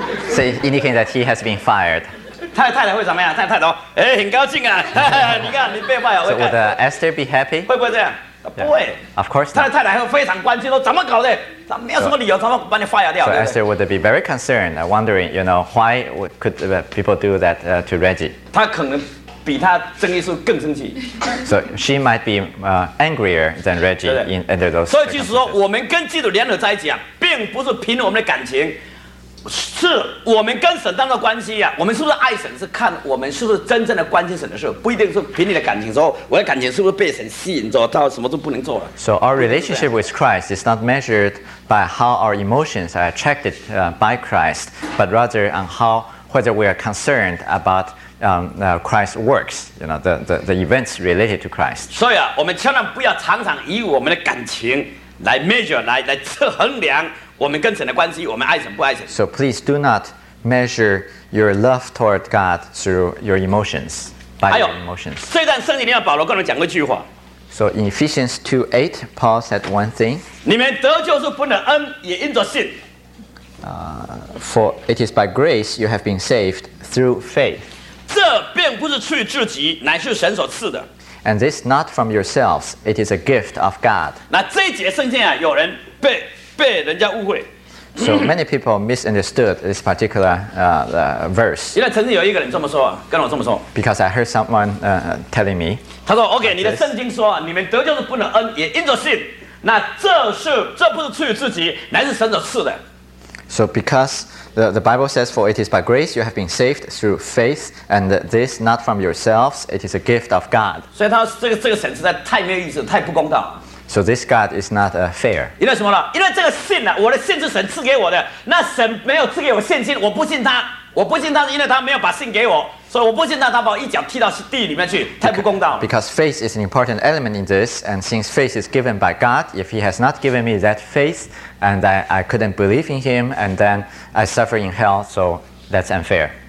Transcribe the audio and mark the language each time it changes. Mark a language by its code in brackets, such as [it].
[en] So indicating that he has been fired. [zh] 他的太太会怎么样？他的太太说，哎，很高兴啊，你看你被 fired。 [en] So would Esther be happy? [zh] 会不会这样？不会。 [en] Of course. [zh] 他的太太会非常关心，说怎么搞的？他没有什么理由，怎么把你 fired 掉？ [en] So Esther would be very concerned, wondering, you know, why could people do that to Reggie? [zh] 他可能比他争议数更生气。 [en] So she might be angrier than Reggie in under those. [zh] 所以就是说，我们跟基督联合在一起啊，并不是凭我们的感情，是我们跟神当中的关系啊。我们是不是爱神，是看我们是不是真正的关心神的事，不一定是凭你的感情说，我的感情是不是被神吸引着，到什么都不能做了。 [en] So our relationship with Christ is not measured by how our emotions are attracted by Christ, but rather on how whether we are concerned about. Christ's works, you know, the events related to Christ. [zh] So yeah, 我们千万不要常常以我们的感情来 measure, 来测衡量我们跟神的关系，我们爱神不爱神。 [en] So please do not measure your love toward God through your emotions, by your emotions. [zh] 这段圣经里面保罗跟我们讲过一句话。 [en] So in Ephesians 2:8, Paul said one thing. [zh] 你们得救是本着恩，也因着信。 [en] For it is by grace you have been saved through faith. [zh] 这并不是出于自己，乃是神所赐的。 [en] And this not from yourselves, it is a gift of God. [zh] 那这一节圣经啊，有人被人家误会。 [en] So many people misunderstood this particular verse. [zh] 因为曾经有一个人这么说，跟我这么说。 [en] Because I heard someone telling me. [zh] 他说 ：“OK， 你的圣经说，你们得救是本乎恩，也因着信。那这不是出于自己，乃是神所赐的。” [en] So because. The Bible says, for it is by grace you have been saved through faith, and this not from yourselves, it is a gift of God. So he says, this [zh] 神实在太没有意思，太不公道。 [en] So this God is not fair. [zh] 因为什么呢？因为这个信呢，我的信是神赐给我的。那神没有赐给我信心，我不信他，我不信他是因为他没有把信给我，所以我不信他，他把我一脚踢到地里面去，太不公道。 [en] Because faith is an important element in this, and since faith is given by God, if he has not given me that faith,And I couldn't believe in him, and then I suffer in hell, so that's unfair.